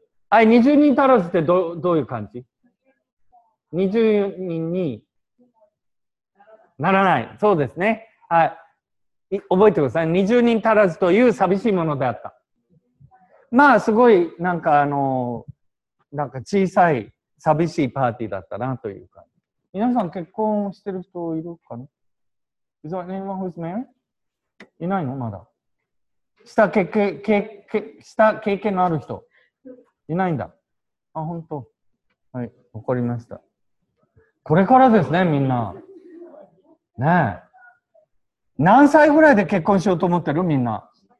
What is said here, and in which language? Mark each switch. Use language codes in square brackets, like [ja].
[ja] はい、20人足らずってどういう感じ ?20 人にならない。そうですね。はい。覚えてください。 20人足らずという寂しいものであった。まあすごいなんかなんか小さい寂しいパーティーだったなというか。皆さん結婚してる人いるかな？ [en] Is there anyone who's married? [ja] いないの？まだ。した経験のある人いないんだ。あ、本当。はい、わかりました。これからですね、みんな。ねえ。何歳ぐらいで結婚しようと思ってる？みんな。